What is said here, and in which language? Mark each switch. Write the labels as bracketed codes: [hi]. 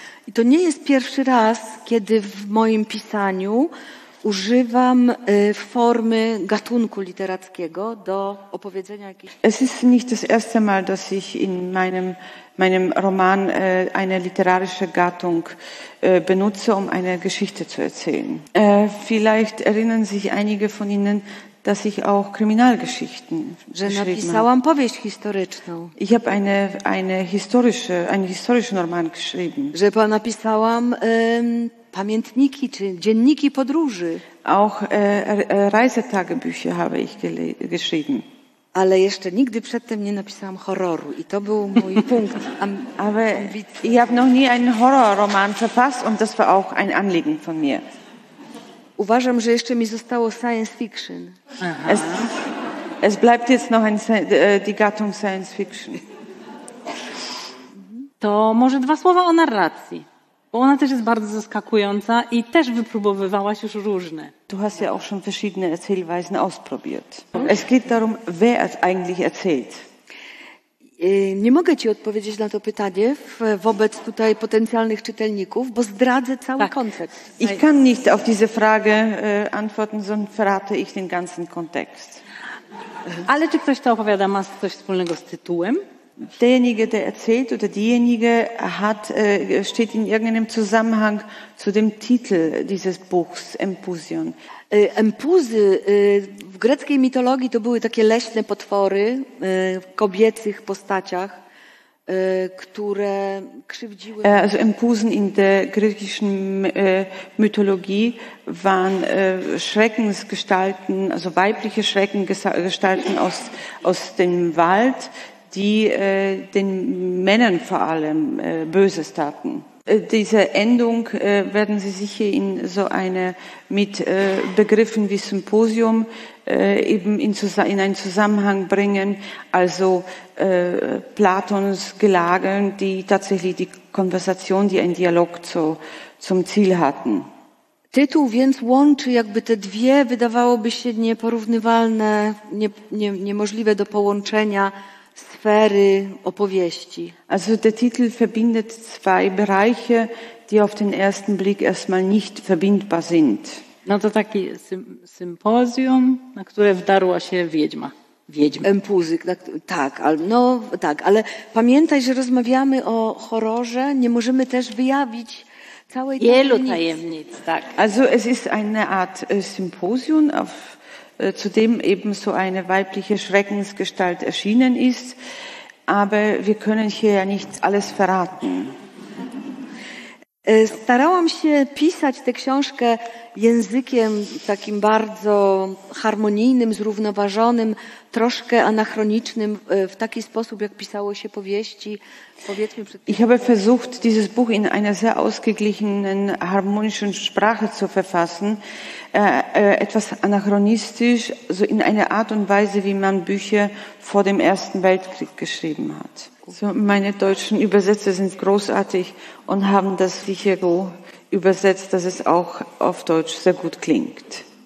[pl] I to nie jest pierwszy raz, kiedy w moim pisaniu używam formy gatunku literackiego do opowiedzenia jakichś. [de] Es ist nicht das erste Mal, dass ich in meinem Roman eine literarische Gattung benutze, um eine Geschichte zu erzählen. Vielleicht erinnern sich einige von Ihnen, dass ich auch Kriminalgeschichten geschrieben habe. Ich habe einen historischen Roman geschrieben. [pl] Że napisałam pamiętniki czy dzienniki podróży. [de] Auch Reisetagebücher habe ich geschrieben. [pl] Ale jeszcze nigdy przedtem nie napisałam horroru i to był mój punkt. [de] Aber ich habe noch nie einen Horrorroman verfasst und das war auch ein Anliegen von mir. [pl] Uważam, że jeszcze mi zostało science fiction. [de] Es bleibt jetzt noch die Gattung science fiction. [pl] To może dwa słowa o narracji, bo ona też jest bardzo zaskakująca i też wypróbowywałaś już różne. [de] Du hast ja auch schon verschiedene Erzählweisen ausprobiert. Es geht darum, wer es eigentlich erzählt. [pl] Nie mogę ci odpowiedzieć na to pytanie wobec tutaj potencjalnych czytelników, bo zdradzę cały kontekst. [de] Ich kann nicht auf diese Frage antworten, sondern verrate ich den ganzen Kontext. [pl] Ale czy ktoś, kto opowiada, ma coś wspólnego z tytułem? [de] Derjenige, der erzählt oder diejenige hat, steht in irgendeinem Zusammenhang zu dem Titel dieses Buchs, Empusion. [pl] Empuzy w greckiej mitologii to były takie leśne potwory w kobiecych postaciach, które krzywdziły. [de] Also Empusen in der griechischen Mythologie waren Schreckensgestalten, also weibliche Schreckensgestalten aus dem Wald, die den Männern vor allem Böses taten. Diese Endung werden Sie sicher in so eine mit Begriffen wie Symposium eben in einen Zusammenhang bringen, also Platons Gelagen, die tatsächlich die Konversation, die einen Dialog zum Ziel hatten. [pl] Tytuł więc łączy jakby te dwie, wydawałoby się nieporównywalne, niemożliwe do połączenia, sfery opowieści. [de] Also der Titel verbindet zwei Bereiche, die auf den ersten Blick erstmal nicht verbindbar sind. [pl] No to taki symposium, na które wdarła się wiedźma. Wiedźma. Empuzyk, tak, no tak, ale pamiętaj, że rozmawiamy o horrorze, nie możemy też wyjawić całej wielu tajemnic, tak. [de] Also es ist eine Art Symposium auf zudem eben so eine weibliche Schreckensgestalt erschienen ist, aber wir können hier ja nicht alles verraten. [pl] Starałam się pisać tę książkę językiem takim bardzo harmonijnym, zrównoważonym, troszkę anachronicznym, w taki sposób, jak pisało się powieści. Powiedzmy przed... [de] Ich habe versucht, dieses Buch in einer sehr ausgeglichenen, harmonischen Sprache zu verfassen. Etwas anachronistisch, so in einer Art und Weise, wie man Bücher vor dem Ersten Weltkrieg geschrieben hat. So, meine deutschen Übersetzer sind großartig und haben das sicher so übersetzt, dass es auch auf Deutsch sehr gut klingt.